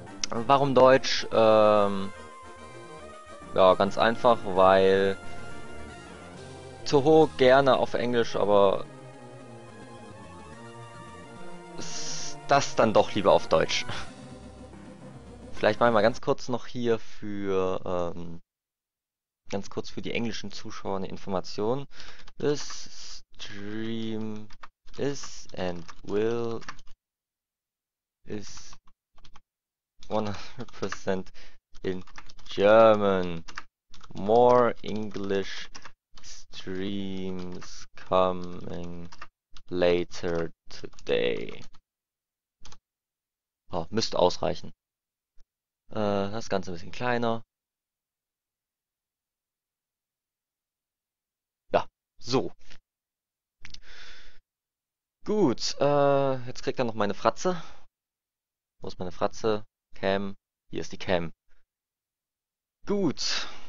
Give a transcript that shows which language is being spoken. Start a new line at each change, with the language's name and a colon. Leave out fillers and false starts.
German: Warum Deutsch? Ja, ganz einfach, weil Toho gerne auf Englisch, aber das dann doch lieber auf Deutsch. Vielleicht mal ganz kurz noch hier für ganz kurz für die englischen Zuschauer eine Information.
English: This stream is and will is 100% in German. More English streams coming later today.
German: Oh, müsste ausreichen. Das Ganze ein bisschen kleiner. Ja, so. Gut, jetzt kriegt er noch meine Fratze. Wo ist meine Fratze? Cam. Hier ist die Cam. Gut.